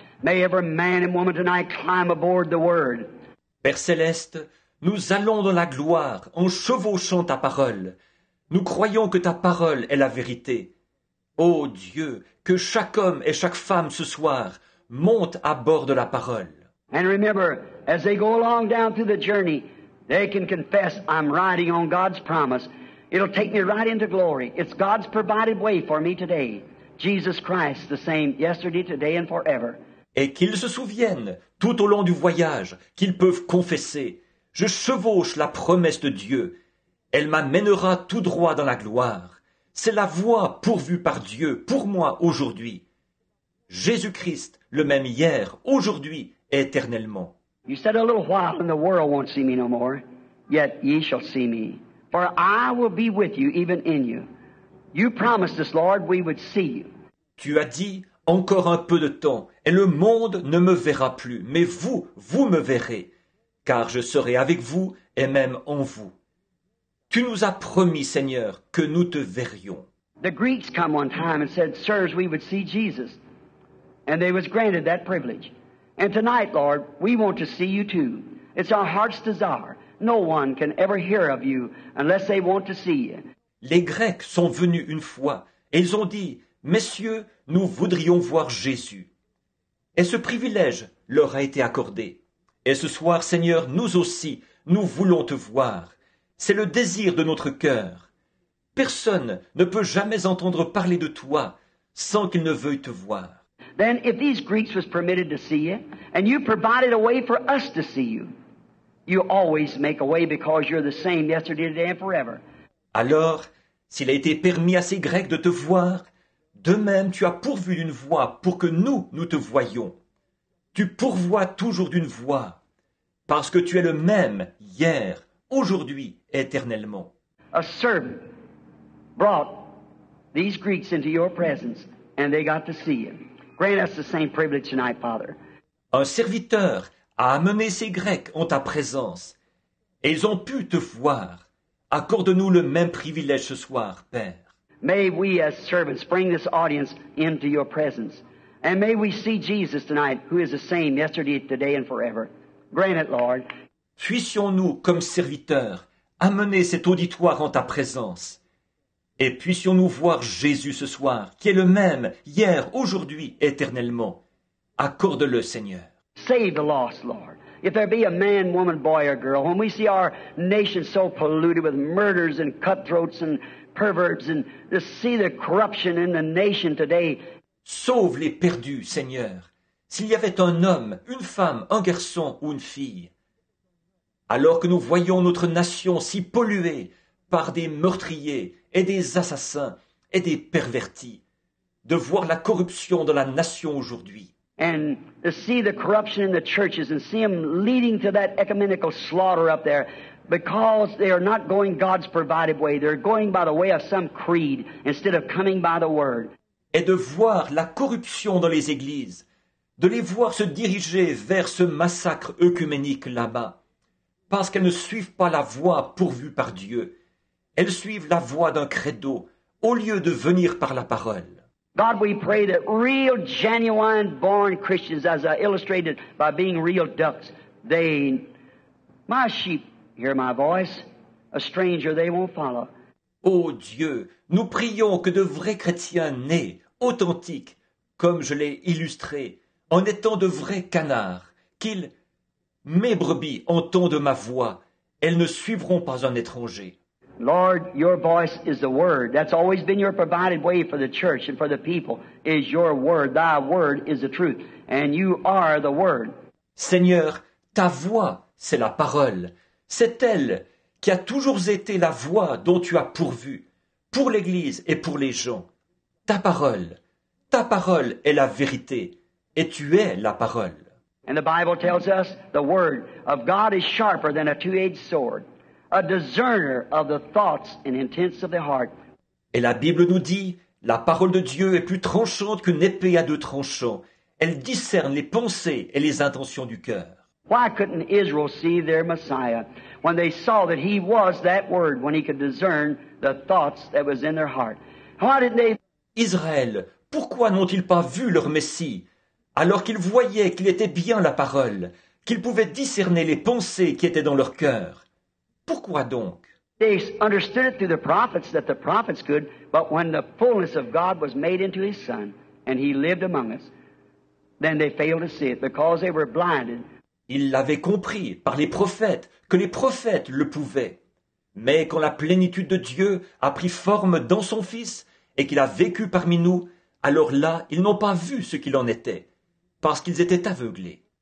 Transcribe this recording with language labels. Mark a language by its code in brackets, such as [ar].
[en] May every man and woman tonight climb aboard the word. [fr] Père céleste, nous allons dans la gloire en chevauchant ta parole. Nous croyons que ta parole est la vérité. Ô Dieu, que chaque homme et chaque femme ce soir monte à bord de la parole. [en] And remember, as they go along down through the journey, they can confess, I'm riding on God's promise. It'll take me right into glory. It's God's provided way for me today. Jesus Christ, the same yesterday, today and forever. [fr] Et qu'ils se souviennent, tout au long du voyage, qu'ils peuvent confesser. Je chevauche la promesse de Dieu. Elle m'amènera tout droit dans la gloire. C'est la voie pourvue par Dieu pour moi aujourd'hui. Jésus-Christ, le même hier, aujourd'hui et éternellement. [en] You said a little while and the world won't see me no more, yet ye shall see me. For I will be with you, even in you. You promised us, Lord, we would see you. [fr] Tu as dit, encore un peu de temps, et le monde ne me verra plus, mais vous, vous me verrez, car je serai avec vous et même en vous. Tu nous as promis, Seigneur, que nous te verrions. [en] The Greeks come one time and said, sirs, we would see Jesus. And they was granted that privilege. And tonight, Lord, we want to see you too. It's our heart's desire. No one can ever hear of you unless they want to see you. [fr] Les Grecs sont venus une fois et ils ont dit, messieurs, nous voudrions voir Jésus. Et ce privilège leur a été accordé. Et ce soir, Seigneur, nous aussi, nous voulons te voir. C'est le désir de notre cœur. Personne ne peut jamais entendre parler de toi sans qu'il ne veuille te voir. [en] Then if these Greeks was permitted to see you, and you provided a way for us to see you, you always make a way because you're the same yesterday, today and forever. [fr] Alors, s'il a été permis à ces Grecs de te voir, de même tu as pourvu d'une voie pour que nous, nous te voyions. Tu pourvois toujours d'une voie, parce que tu es le même hier, aujourd'hui, éternellement. [en] A servant brought these Greeks into your presence and they got to see you. Grant us the same privilege tonight, Father. [fr] Un serviteur a amené ces Grecs en ta présence et ils ont pu te voir. Accorde-nous le même privilège ce soir, Père. [en] May we as servants bring this audience into your presence. And may we see Jesus tonight, who is the same yesterday, today and forever. Grant it, Lord. [fr] Puissions-nous, comme serviteurs, amener cet auditoire en ta présence. Et puissions-nous voir Jésus ce soir, qui est le même, hier, aujourd'hui, éternellement. Accorde-le, Seigneur. [en] Save the lost, Lord. If there be a man, woman, boy or girl, when we see our nation so polluted with murders and cutthroats and perverts and to see the corruption in the nation today. [fr] Sauve les perdus, Seigneur. S'il y avait un homme, une femme, un garçon ou une fille. Alors que nous voyons notre nation si polluée par des meurtriers et des assassins et des pervertis. De voir la corruption dans la nation aujourd'hui. [en] And to see the corruption in the churches and see them leading to that ecumenical slaughter up there because they are not going God's provided way. They're going by the way of some creed instead of coming by the word. [fr] Et de voir la corruption dans les églises, de les voir se diriger vers ce massacre œcuménique là-bas parce qu'elles ne suivent pas la voie pourvue par Dieu. Elles suivent la voie d'un credo au lieu de venir par la parole. [en] God, we pray that real, genuine, born Christians, as I illustrated by being real ducks, they, my sheep, hear my voice. A stranger, they won't follow. [fr] Ô Dieu, nous prions que de vrais chrétiens nés, authentiques, comme je l'ai illustré, en étant de vrais canards, qu'ils, mes brebis, entendent ma voix, elles ne suivront pas un étranger. [en] Lord, your voice is the word. That's always been your provided way for the church and for the people, is your word. Thy word is the truth, and you are the word. [fr] Seigneur, ta voix, c'est la parole. C'est elle qui a toujours été la voix dont tu as pourvu, pour l'Église et pour les gens. Ta parole est la vérité, et tu es la parole. [en] And the Bible tells us the word of God is sharper than a two-edged sword. A discerner of the thoughts and intents of the heart. [fr] Et la Bible nous dit, la parole de Dieu est plus tranchante qu'une épée à deux tranchants. Elle discerne les pensées et les intentions du cœur. [en] Why couldn't Israel see their Messiah when they saw that he was that word, when he could discern the thoughts that was in their heart? Why didn't they? [fr] Israël, pourquoi n'ont-ils pas vu leur Messie Alors qu'ils voyaient qu'il était bien la parole, qu'ils pouvaient discerner les pensées qui étaient dans leur cœur. Pourquoi donc? [en] They understood it through the prophets that the prophets could, but when the fullness of God was made into his son and he lived among us, then they failed to see it because they were blinded. [fr] Ils l'avaient compris par les prophètes, que les prophètes le pouvaient. Mais quand la plénitude de Dieu a pris forme dans son Fils et qu'il a vécu parmi nous, alors là, ils n'ont pas vu ce qu'il en était, parce qu'ils étaient aveuglés.